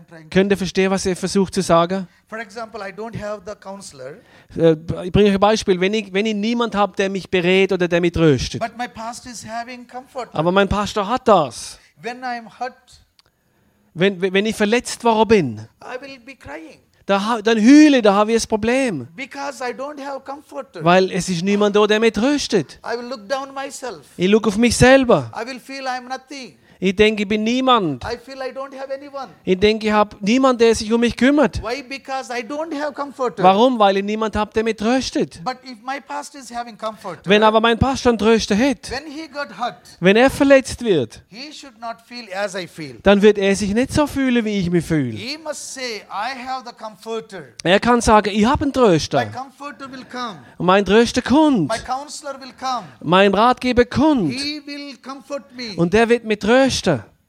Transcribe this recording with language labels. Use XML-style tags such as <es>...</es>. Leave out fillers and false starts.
<de>Könnt ihr verstehen, was er versucht zu sagen?</de> <en>For example, I don't have the counselor.</en> <de>Ich bringe euch ein Beispiel. Wenn ich niemand habe, der mich berät oder der mich tröstet.</de> <en>But my pastor is having comfort.</en> <de>Aber mein Pastor hat das.</de> <en>When I'm hurt,</en> <de>wenn ich verletzt worden bin,</de> <en>I will be crying.</en> <de>Dann heule, da habe ich das Problem.</de> <en>Because I don't have comfort.</en> <de>Weil es ist niemand da, der mich tröstet.</de> <en>I will look down myself.</en> <de>Ich schaue auf mich selber.</de> <en>I will feel I'm nothing.</en> <de>Ich denke, ich bin niemand.</de> <en>I feel I don't have anyone.</en> <de>Ich denke, ich habe niemanden, der sich um mich kümmert.</de> <en>Why? Because I don't have comfort.</en> <de>Warum? Weil ich niemanden habe, der mich tröstet.</de> <en>But if my pastor is having comfort,</en> <de>wenn aber mein Pastor einen Tröster hat,</de> <en>when he got hurt,</en> <de>wenn er verletzt wird,</de> <en>he should not feel as I feel.</en> <de>Dann wird er sich nicht so fühlen, wie ich mich fühle.</de> <en>He must say, I have the comforter.</en> <de>Er kann sagen, ich habe einen Tröster.</de> <en>My comforter will come.</en> <de>Mein Tröster kommt.</de> <en>My counselor will come.</en> <de>Mein Ratgeber kommt.</de> <en>He will comfort me.</en> <de>Und der wird mich trösten.</de>